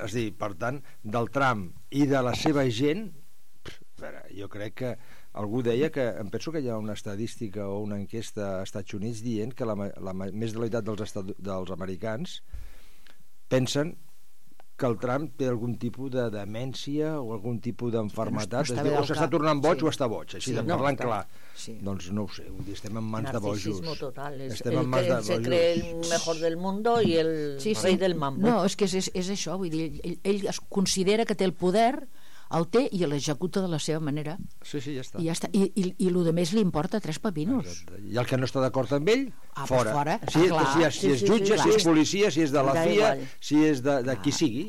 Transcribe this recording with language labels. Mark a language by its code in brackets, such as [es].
[ca] És dir, per tant, del Trump i de la seva gent, jo crec que algú deia que, em penso que hi ha una estadística o una enquesta als Estats Units dient que més de la meitat dels americans pensen que el Trump té algun tipus de demència o algun tipus d'enfermetat. O s'està tornant boig o està boig, així de parlant clar. Sí. Doncs no ho sé, estem en mans de bojos. [es] Narcisismo total. [ca] Estem en mans de bojos. [es] El que se cree el mejor del mundo y el rey del mambo. [ca] No, és que és això, vull dir, ell es considera que té el poder, el té i l'executa de la seva manera. Sí, ja està. I ja està. I el que més li importa, tres pepinos. Exacte. I el que no està d'acord amb ell, fora. Sí, ah, si és jutge, si és policia, si és de la CIA, si és de qui sigui.